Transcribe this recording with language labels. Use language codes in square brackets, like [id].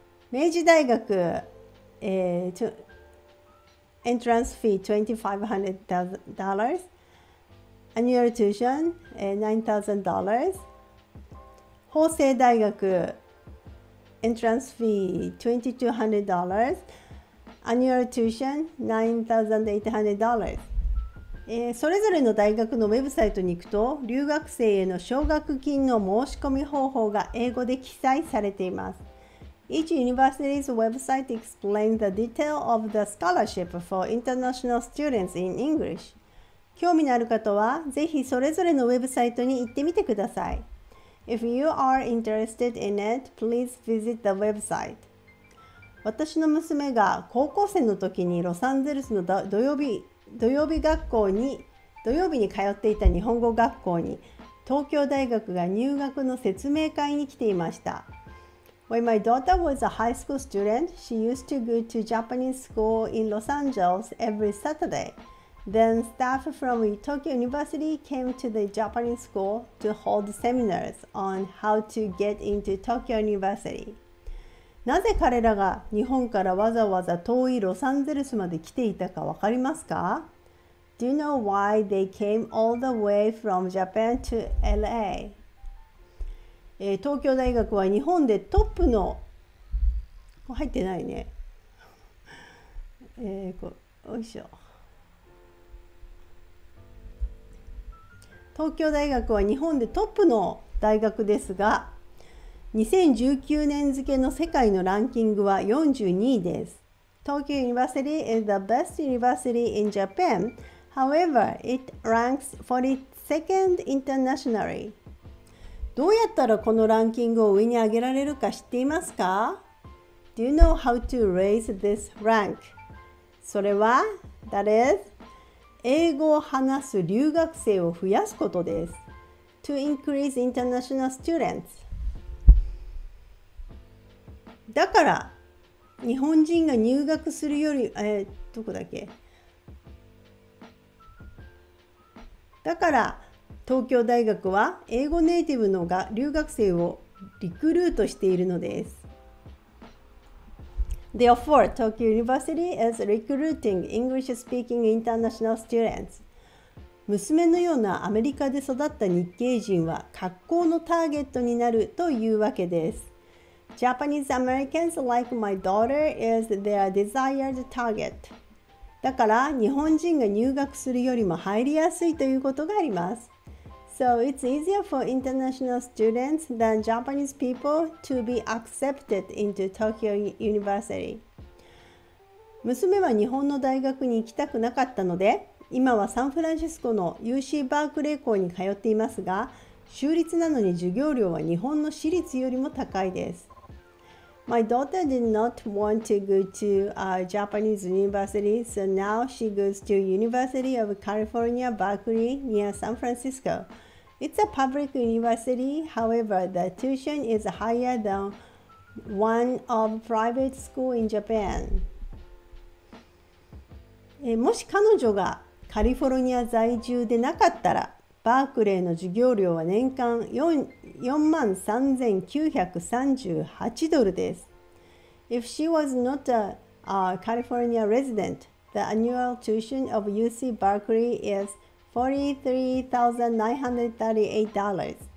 [en] 明治大学、entrance fee $2,500, annual tuition $9,000, 法政大学 entrance fee $2,200, annual tuition $9,800。 [ja] それぞれの大学のウェブサイトに行くと、留学生への奨学金の申し込み方法が英語で記載されています。 [en] Each university's website explains the detail of the scholarship for international students in English. [ja] 興味のある方は、ぜひそれぞれのウェブサイトに行ってみてください。 [en] If you are interested in it, please visit the website. [ja] 私の娘が高校生の時にロサンゼルスの土曜日に通っていた日本語学校に、東京大学が入学の説明会に来ていました。 [en] When my daughter was a high school student, she used to go to Japanese school in Los Angeles every Saturday. Then staff from Tokyo University came to the Japanese school to hold seminars on how to get into Tokyo University. [ja] なぜ彼らが日本からわざわざ遠いロサンゼルスまで来ていたかわかりますか? [en] Do you know why they came all the way from Japan to LA? [ja] 東京大学は日本でトップの、入ってないね。よいしょ。東京大学は日本でトップの大学ですが、2019年付の世界のランキングは42位です。 [en] Tokyo University is the best university in Japan. However, it ranks 42nd internationally. [ja] どうやったらこのランキングを上に上げられるか知っていますか? [en] Do you know how to raise this rank? [ja] それは、 [en] that is, [ja] 英語を話す留学生を増やすことです。 [en] To increase international students. [ja] だから、日本人が入学するより、どこだっけ? だから、東京大学は英語ネイティブのが留学生をリクルートしているのです。 [en] Therefore, Tokyo University is recruiting English speaking international students. [ja] 娘のようなアメリカで育った日系人は格好のターゲットになるというわけです。 [en] Japanese Americans like my daughter is their desired target. [ja] だから日本人が入学するよりも入りやすいということがあります。 [en] So it's easier for international students than Japanese people to be accepted into Tokyo University. [ja] 娘は日本の大学に行きたくなかったので、今はサンフランシスコの UC バークレー校に通っていますが、州立なのに授業料は日本の私立よりも高いです。 [en] My daughter did not want to go to a Japanese university, so now she goes to University of California, Berkeley, near San Francisco. It's a public university, however, the tuition is higher than one of private school in Japan. [ja] もし彼女がカリフォルニア在住でなかったら、バークレーの授業料は年間 $43,938 です。 [en] If she was not a, California resident, the annual tuition of UC Berkeley is $43,938.